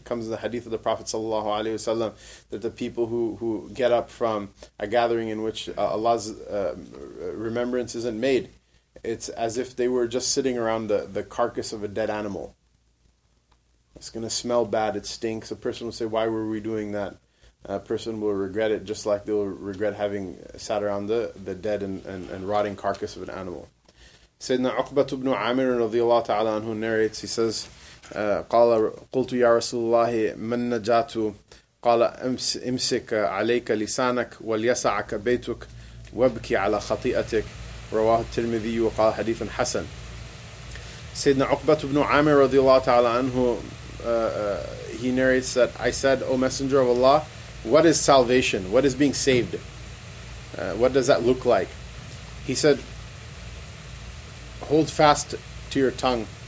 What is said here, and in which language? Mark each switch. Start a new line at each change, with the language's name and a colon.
English: It comes in the hadith of the Prophet sallallahu alayhi wa sallam that the people who get up from a gathering in which Allah's remembrance isn't made, it's as if they were just sitting around the carcass of a dead animal. It's going to smell bad, it stinks. A person will say, why were we doing that? A person will regret it, just like they'll regret having sat around the dead and rotting carcass of an animal. Sayyidina Uqbat ibn Amir radiallahu ta'ala anhu narrates, he says,
Arabic: قَالَ قُلْتُ يَا رَسُولَ اللَّهِ مَنْ نَجَاتُ قَالَ إِمْسِكَ عَلَيْكَ لِسَانَكَ وَلْيَسَعَكَ بَيْتُكَ وَبْكِ عَلَى خَطِئَتِكَ رَوَاهُ التِّرْمِذِيُّ وَقَالَ حَدِيثٌ حَسَنٌ.
English: Sayyidina Uqbat ibn Amir radiallahu ta'ala anhu, he narrates that, I said, O Messenger of Allah, what is salvation? What is being saved? What does that look like? He said, hold fast to your tongue.